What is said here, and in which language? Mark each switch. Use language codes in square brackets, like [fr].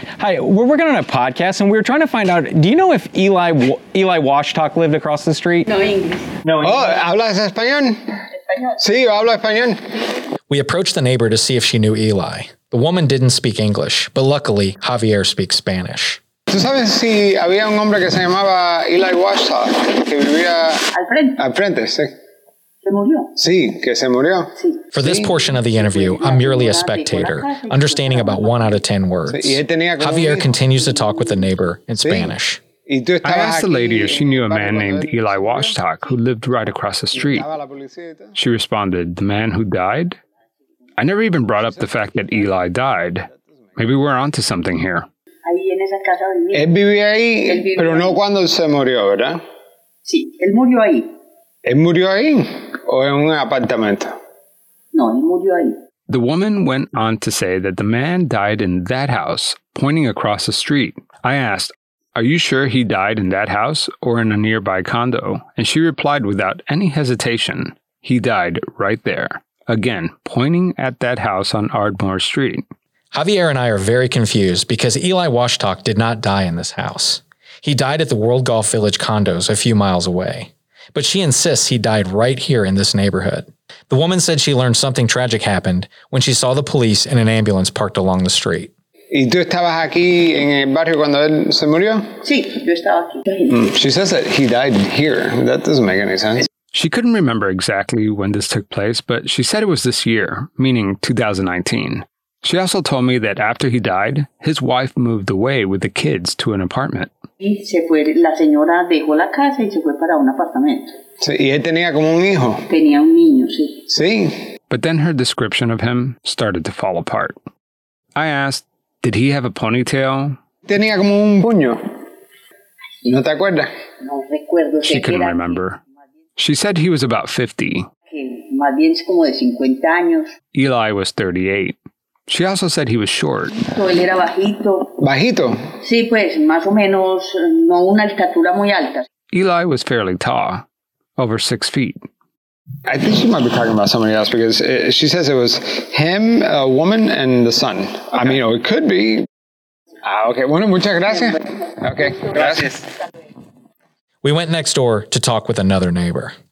[en] Hi, we're working on a podcast and we were trying to find out, do you know if Eli Washtok lived across the street? No English. [es] Oh, hablas español? Sí, yo hablo español. [en] We approached the neighbor to see if she knew Eli. The woman didn't speak English, but luckily, Javier speaks Spanish. [es] ¿Tú sabes si había un hombre que se llamaba Eli Washtok, que vivía al frente, sí? Se murió. Sí, que se murió. [en] For this portion of the interview, I'm merely a spectator, understanding about 1 out of 10 words. Javier continues to talk with the neighbor in Spanish. I asked the lady if she knew a man named Eli Washtok who lived right across the street. She responded, the man who died? I never even brought up the fact that Eli died. Maybe we're onto something here. [es] Él vivía ahí, pero no cuando se murió, ¿verdad? Sí, él murió ahí. ¿Él murió ahí? ¿O en un apartamento? No, él murió ahí. [en] The woman went on to say that the man died in that house, pointing across the street. I asked, are you sure he died in that house or in a nearby condo? And she replied without any hesitation, he died right there. Again, pointing at that house on Ardmore Street. Javier and I are very confused because Eli Washtok did not die in this house. He died at the World Golf Village condos a few miles away. But she insists he died right here in this neighborhood. The woman said she learned something tragic happened when she saw the police and an ambulance parked along the street. [es] ¿Y tú estabas aquí en el barrio cuando él se murió? Sí, yo estaba aquí. [en] She says that he died here. That doesn't make any sense. She couldn't remember exactly when this took place, but she said it was this year, meaning 2019. She also told me that after he died, his wife moved away with the kids to an apartment. [es] Y se fue, la señora dejó la casa y se fue para un apartamento. Sí, y él tenía como un hijo. Tenía un niño, sí. Sí. [en] But then her description of him started to fall apart. I asked, did he have a ponytail? [es] Tenía como un puño. ¿No te acuerdas? No recuerdo. [en] She couldn't remember. She said he was about 50. [es] Más bien es como de 50 años. [en] Eli was 38. She also said he was short. [es] Él era bajito. ¿Bajito? Sí, pues, más o menos, no una estatura muy alta. [en] Eli was fairly tall, over 6 feet. I think she might be talking about somebody else because she says it was him, a woman, and the son. Okay. I mean, it could be. Okay, [es] bueno, muchas gracias. Okay, gracias. [en] We went next door to talk with another neighbor.